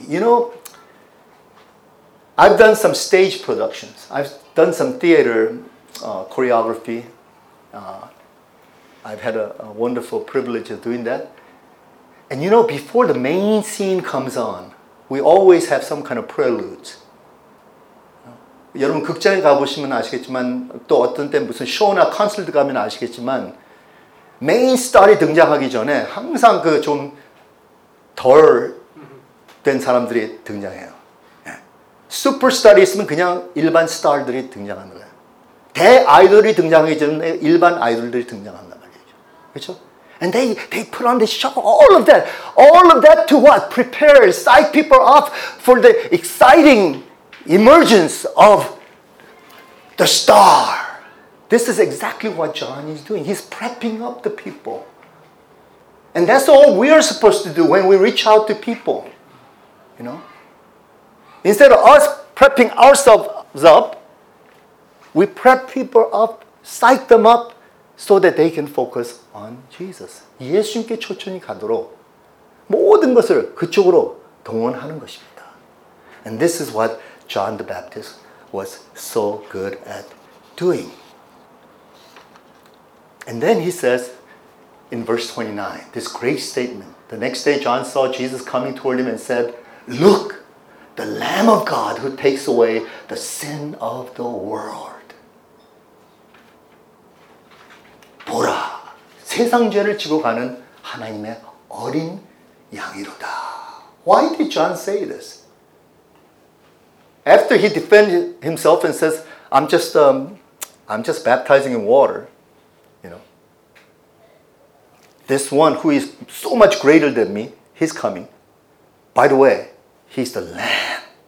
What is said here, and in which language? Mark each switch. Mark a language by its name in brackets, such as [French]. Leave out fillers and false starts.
[English] You know, I've done some stage productions. I've done some theater choreography. I've had a wonderful privilege of doing that. And you know, before the main scene comes on, we always have some kind of preludes. [Korean] 여러분 극장에 가보시면 아시겠지만 또 어떤 때 무슨 쇼나 콘서트 가면 아시겠지만 메인 스타이 등장하기 전에 항상 그 좀 덜 된 사람들이 등장해요. 슈퍼 스타이 있으면 그냥 일반 스타들이 등장하는 거예요. 대 아이돌이 등장하기 전에 일반 아이돌들이 등장한단 말이죠. 그렇죠? [English] And they put on the show, all of that to what? Prepare, psych people up for the exciting emergence of the star. This is exactly what John is doing. He's prepping up the people. And that's all we are supposed to do when we reach out to people. You know? Instead of us prepping ourselves up, we prep people up, psych them up, so that they can focus on Jesus. [Korean] 예수님께 초청이 가도록 모든 것을 그쪽으로 동원하는 것입니다. [English] And this is what John the Baptist was so good at doing. And then he says in verse 29, this great statement. The next day John saw Jesus coming toward him and said, look, the Lamb of God who takes away the sin of the world. [Korean] 보라, 세상 죄를 지고 가는 하나님의 어린 양이로다. [English] Why did John say this? After he defends himself and says, I'm just baptizing in water, you know. This one who is so much greater than me, he's coming. By the way, he's the Lamb.